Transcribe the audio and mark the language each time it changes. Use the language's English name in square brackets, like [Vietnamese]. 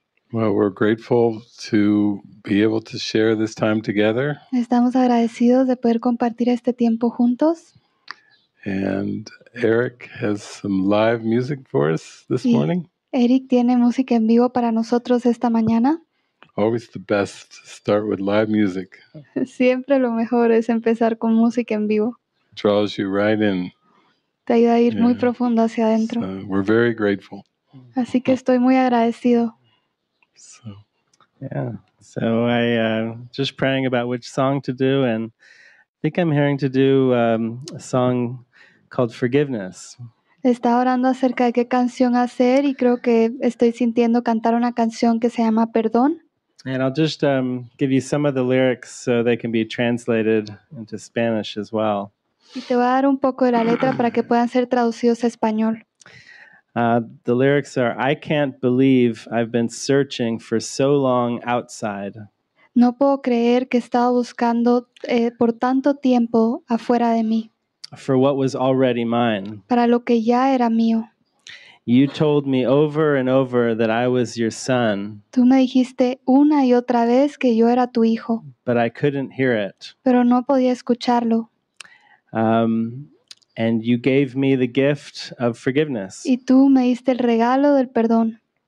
[English] Well, we're grateful to be able to share this time together. [Spanish] Estamos agradecidos de poder compartir este tiempo juntos. [English] And Eric has some live music for us this morning. [Spanish] Eric tiene música en vivo para nosotros esta mañana. [English] Always the best to start with live music. [Spanish] Siempre lo mejor es empezar con música en vivo. [English] Draws you right in. [Spanish] Te ayuda a ir muy profundo hacia adentro. [English] So, we're very grateful. [Spanish] Así que estoy muy agradecido. [English] So, yeah. So I just praying about which song to do, and I think I'm hearing to do a song called Forgiveness. [Spanish] Estaba orando acerca de qué canción hacer y creo que estoy sintiendo cantar una canción que se llama Perdón. [English] And I'll just give you some of the lyrics so they can be translated into Spanish as well. [Spanish] Y te voy a dar un poco de la letra para que puedan ser traducidos a español. [English] The lyrics are, I can't believe I've been searching for so long outside. [Spanish] No puedo creer que he estado buscando por tanto tiempo afuera de mí. [English] For what was already mine. [Spanish] Para lo que ya era mío. [English] You told me over and over that I was your son. [Spanish] Tú me dijiste una y otra vez que yo era tu hijo. [English] But I couldn't hear it. [Spanish] Pero no podía escucharlo. [English] And you gave me the gift of forgiveness. [Spanish] Y tú me diste el regalo del perdón.